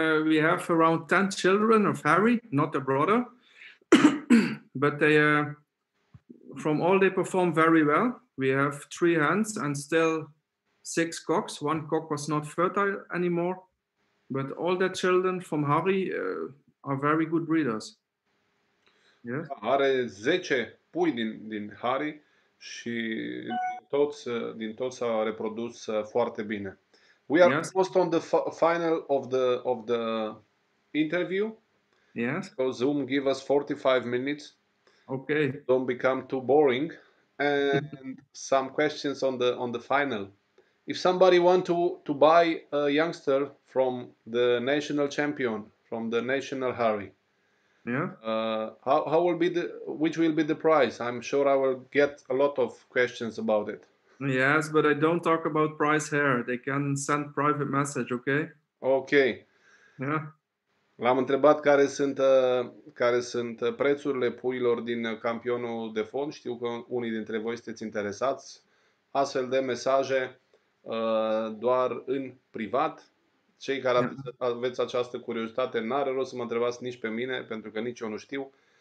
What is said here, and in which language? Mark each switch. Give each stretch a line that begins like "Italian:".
English: We have around 10 children of Harry, not a brother. But they from all they perform very well. We have 3 hens and still 6 cocks. One cock was not fertile anymore, but all the children from Harry are very good breeders.
Romanian: Yeah. Are 10 pui din hari și din tot s-a reprodus foarte bine.
English: We are yes. almost on the final of the interview. Yes. So Zoom give us 45 minutes. Okay. Don't become too boring. And some questions on the final. If somebody want to buy a youngster from the national champion, from the national Harry, yeah, how will be the which will be the price? I'm sure I will get a lot of questions about it. Yes, but I don't talk about price here. They can send private message, okay? Okay. Yeah.
Romanian: L-am întrebat care sunt prețurile puilor din campionul de fond. Știu că unii dintre voi sunteți interesați. Astfel de mesaje doar în privat. Cei care aveți această curiozitate, n-are rost să mă întrebați nici pe mine, pentru că nici eu nu știu.